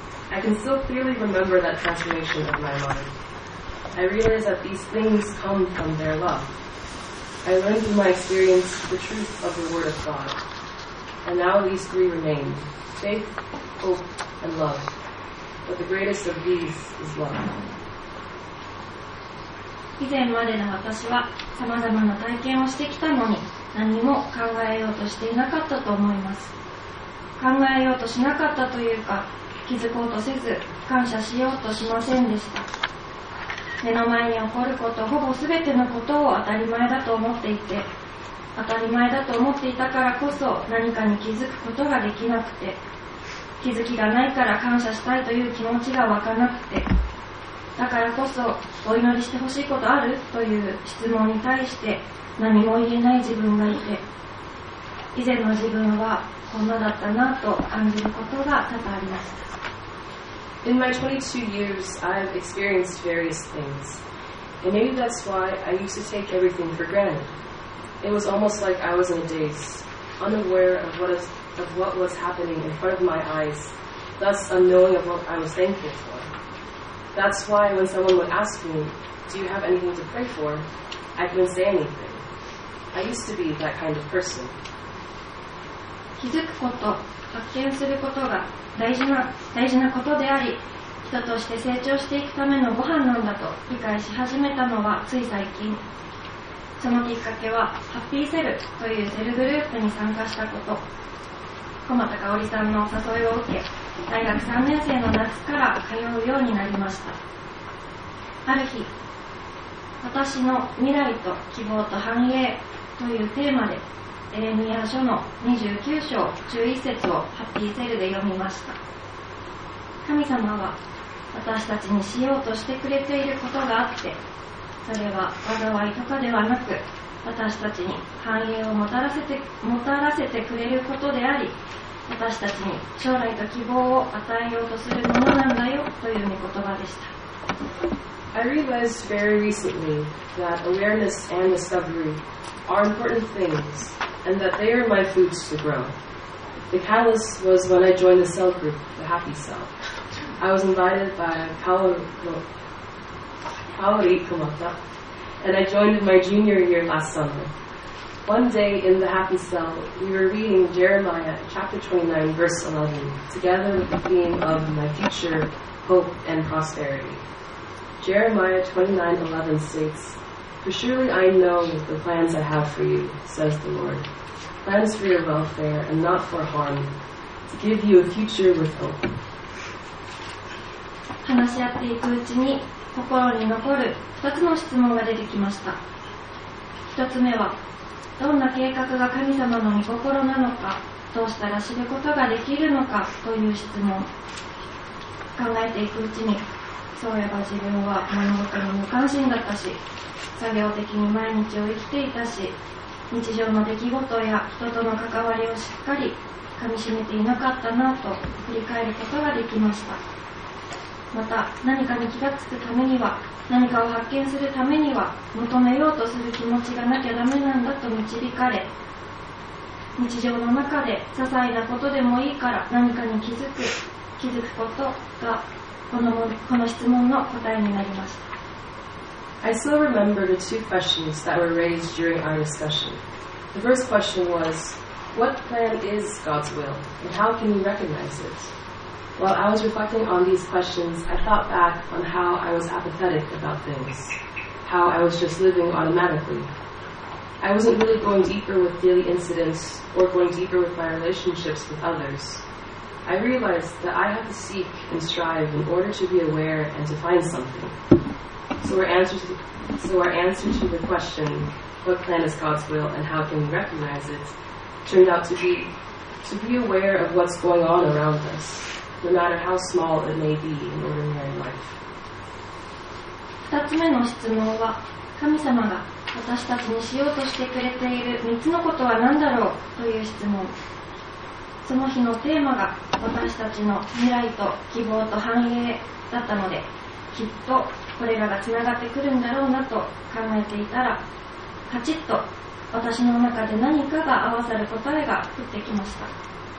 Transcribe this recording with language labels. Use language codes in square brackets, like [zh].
[en] I can still clearly remember that transformation of my mind. I realize that these things come from their love. I learned through my experience the truth of the Word of God. And now these three remain: faith, hope, and love. But the greatest of these is love. [ja] 以前までの私は様々な体験をしてきたのに何も考えようとしていなかったと思います。考えようとしなかったというか、気づこうとせず感謝しようとしませんでした。目の前に起こること、ほぼ全てのことを当たり前だと思っていて、当たり前だと思っていたからこそ何かに気づくことができなくて、気づきがないから感謝したいという気持ちが湧かなくて、だからこそお祈りしてほしいことあるという質問に対して何も言えない自分がいて、以前の自分はこんなだったなと感じることが多々ありました。 [en] In my 22 years, I've experienced various things. And maybe that's why I used to take everything for granted. It was almost like I was in a daze, unaware of what was happening in front of my eyes, thus unknowing of what I was thankful for. That's why when someone would ask me, "Do you have anything to pray for?" I couldn't say anything. I used to be that kind of person. [ja] 気づくこと、発見することが大事なことであり、人として成長していくためのご飯なんだと理解し始めたのはつい最近。そのきっかけはハッピーセルというセルグループに参加したこと。小俣香織さんの誘いを受け、大学3年生の夏から通うようになりました。ある日、私の未来と希望と繁栄というテーマでエレミヤ書の29章11節をハッピーセルで読みました。神様は私たちにしようとしてくれていることがあって、それは災いとかではなく、私たちに繁栄をもたらせてくれることであり、私たちに将来と希望を与えようとするものなんだよという御言葉でした。 [en] I realized very recently that awareness and discovery are important things, and that they are my foods to grow. The catalyst was when I joined the cell group, the Happy Cell. I was invited by Kaori Komata, and I joined in my junior year last summer. One day in the Happy Cell, we were reading Jeremiah chapter 29, verse 11, together with the theme of my future, hope, and prosperity. Jeremiah 29:11 states, "For surely I know the plans I have for you, says the Lord. Plans for your welfare and not for harm, to give you a future with hope." [ja] 話し合っていくうちに心に残る2つの質問が出てきました。 1つ目は、どんな計画が神様の御心なのか、どうしたら知ることができるのかという質問。考えていくうちに、そういえば自分は物事に無関心だったし、作業的に毎日を生きていたし、日常の出来事や人との関わりをしっかりかみしめていなかったなと振り返ることができました。また何かに気がつくためには、何かを発見するためには、求めようとする気持ちがなきゃダメなんだと導かれ、日常の中で些細なことでもいいから何かに気づくことがこの質問の答えになりました。 [en] I still remember the two questions that were raised during our discussion. The first question was, what plan is God's will, and how can you recognize it? While I was reflecting on these questions, I thought back on how I was apathetic about things, how I was just living automatically. I wasn't really going deeper with daily incidents or going deeper with my relationships with others. I realized that I have to seek and strive in order to be aware and to find something. So our answer to the question, what plan is God's will and how can we recognize it, turned out to be aware of what's going on around us, no matter how small it may be in ordinary life. [ja] 2つ目の質問は、神様が私たちにしようとしてくれている3つのことは何だろうという質問。その日のテーマが私たちの未来と希望と繁栄だったので、きっとこれらがつながってくるんだろうなと考えていたら、カチッと私の中で何かが合わさる答えが降ってきました。